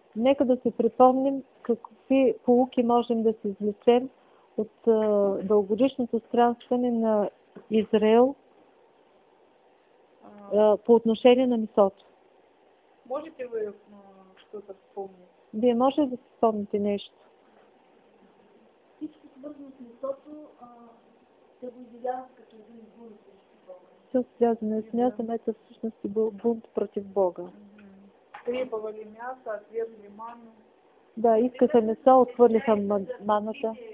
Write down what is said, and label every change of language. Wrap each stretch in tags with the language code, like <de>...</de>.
<bg>Нека да си припомним какви поуки можем да си извлечем от дългогодишното странстване на Израил по отношение на месото.</bg> <ru>Можете ли вы что-то вспомнить?</ru> <bg>Вие може да си спомните нещо? Всичко свързано с месото се изявява като един бунт.</bg> <ru>Все связано с мясом, это в сущности был бунт против Бога. Требовали мясо, отвергли ману.</ru> <bg>Да, искаха мясо, отвърлиха маната.</bg>